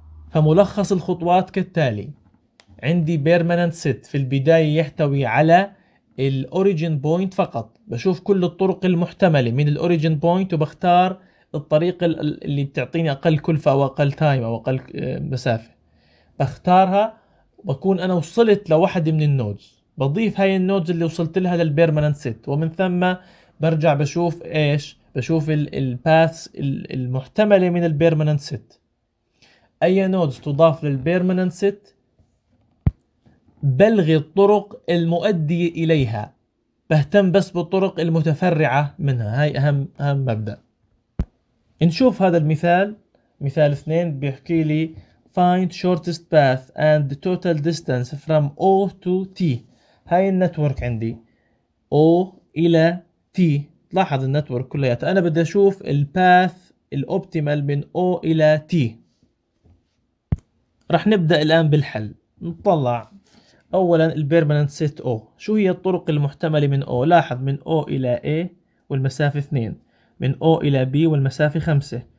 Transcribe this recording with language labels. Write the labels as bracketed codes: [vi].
[ar] فملخص الخطوات كالتالي: عندي permanent set في البداية يحتوي على الـ origin point فقط، بشوف كل الطرق المحتملة من الـ origin point وبختار الطريق اللي بتعطيني أقل كلفة أو أقل time أو أقل مسافة، بختارها بكون أنا وصلت لوحدة من النودز، بضيف هاي النودز اللي وصلت لها للـ permanent set، ومن ثم برجع بشوف إيش، بشوف الـ paths المحتملة من الـ permanent set. أي نودز تضاف للبيرمننت ست بلغي الطرق المؤدية إليها، بهتم بس بالطرق المتفرعة منها. هاي أهم مبدأ. نشوف هذا المثال. مثال 2 بيحكي لي [en] find shortest path and total distance from O to T. [ar] هاي النتورك عندي O إلى T، لاحظ النتورك كليات، أنا بدي أشوف الباث الأوبتيمال من O إلى T. رح نبدأ الآن بالحل. نطلع أولاً البيرمننت سيت O، شو هي الطرق المحتملة من O؟ لاحظ من O إلى A والمسافة 2، من O إلى B والمسافة 5،